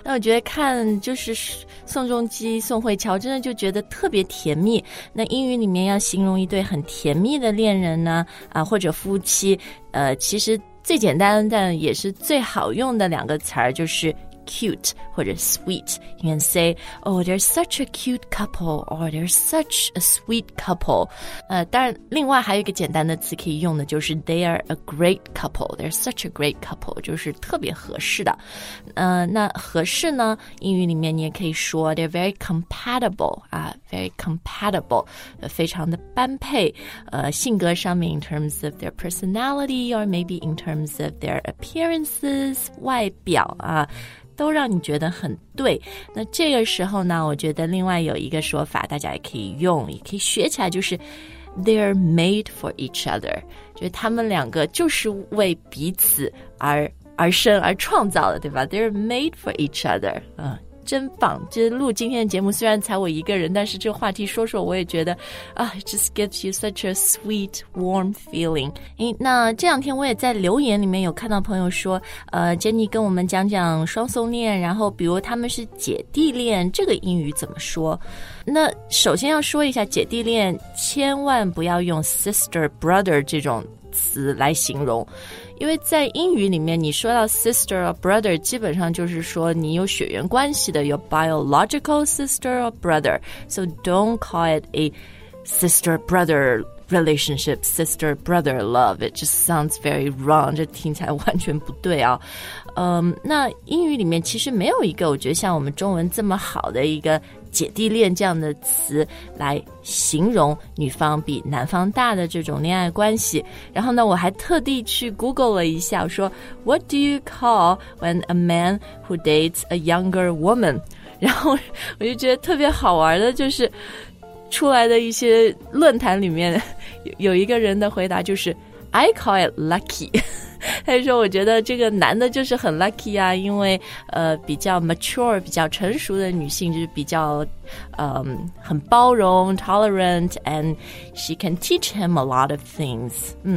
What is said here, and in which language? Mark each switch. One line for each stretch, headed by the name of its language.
Chinese: 那我觉得看就是宋仲基宋慧乔真的就觉得特别甜蜜。那英语里面要形容一对很甜蜜的恋人呢啊，或者夫妻，其实最简单但也是最好用的两个词儿就是cute 或者 sweet.
English: You can say, oh, they're such a cute couple, or they're such a sweet couple.
Chinese: 当然另外还有一个简单的词可以用的就是
English: they are a great couple,
Chinese: they're such a great couple, 就是特别合适的。那合适呢，英语里面你也可以说
English: they're very compatible, very compatible,
Chinese: 非常的般配，性格上面
English: in terms of their personality, or maybe in terms of their appearances,
Chinese: 外表啊，都让你觉得很对。那这个时候呢，我觉得另外有一个说法大家也可以用，也可以学起来，就是
English: They're made for each other,
Chinese: 就是他们两个就是为彼此而生而创造的，对吧？
English: They're made for each other,
Chinese: 真棒。这录今天的节目虽然才我一个人，但是这话题说说我也觉得啊，
English: it just gives you such a sweet warm feeling。
Chinese: 那这两天我也在留言里面有看到朋友说Jenny 跟我们讲讲双宋恋，然后比如他们是姐弟恋，这个英语怎么说。那首先要说一下，姐弟恋千万不要用 sister brother 这种词来形容，因为在英语里面你说到 sister or brother 基本上就是说你有血缘关系的，
English: your biological sister or brother, so don't call it a sister brother relationship, sister brother love, it just sounds very wrong,
Chinese: 这听起来完全不对啊。那英语里面其实没有一个我觉得像我们中文这么好的一个姐弟恋这样的词来形容女方比男方大的这种恋爱关系。然后呢我还特地去
English: Google
Chinese: 了一下，说
English: What do you call when a man who dates a younger woman?
Chinese: 然后我就觉得特别好玩的就是出来的一些论坛里面有一个人的回答就是
English: I call it lucky.
Chinese: 他说我觉得这个男的就是很 lucky 啊，因为比较 mature, 比较成熟的女性就是比较很包容 tolerant,
English: and she can teach him a lot of things.